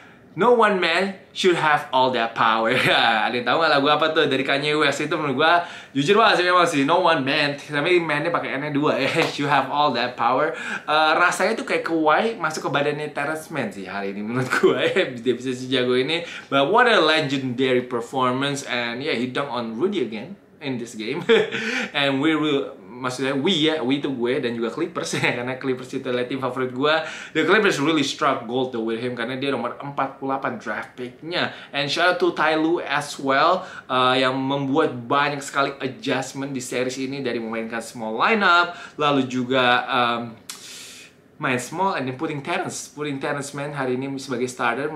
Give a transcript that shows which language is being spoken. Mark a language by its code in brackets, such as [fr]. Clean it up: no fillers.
[en] No one man should have all that power. [id] Ada yang tahu nggak lagu apa tuh dari Kanye West? Itu menurut gue jujur banget sih, memang sih [en] no one man, [id] tapi man-nya pakai N-nya dua ya, [en] should have all that power. [id] Rasanya tuh kayak Kawhi masuk ke badannya Terrence Mann sih hari ini menurut gue. Dia bisa si jago ini, [en] but what a legendary performance, and yeah, he dunk on Rudy again in this game. And we will, [id] maksudnya we itu gue dan juga Clippers ya, karena Clippers itu adalah tim favorit gue. [en] The Clippers really struck gold though with him, [id] karena dia nomor 48 draft picknya. [en] And shout out to Ty Lue as well, [id] yang membuat banyak sekali adjustment di series ini, dari memainkan small lineup, lalu juga main small, [en] and then putting Terrence Mann [id] hari ini sebagai starter.